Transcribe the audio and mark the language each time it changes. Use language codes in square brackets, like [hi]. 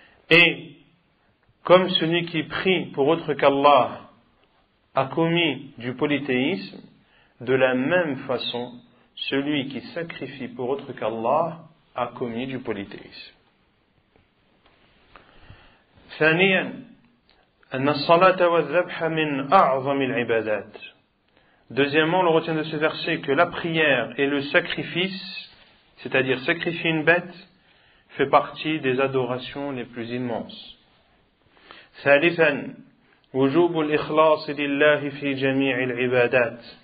[fr] Et comme celui qui prie pour autre qu'Allah a commis du polythéisme, de la même façon, celui qui sacrifie pour autre qu'Allah a commis du polythéisme. [ar] ثانياً أن الصلاة والذبح من أعظم العبادات. [fr] Deuxièmement, on retient de ce verset que la prière et le sacrifice, c'est-à-dire sacrifier une bête, fait partie des adorations les plus immenses. [ar] ثالثا وجوب الإخلاص لله في جميع العبادات.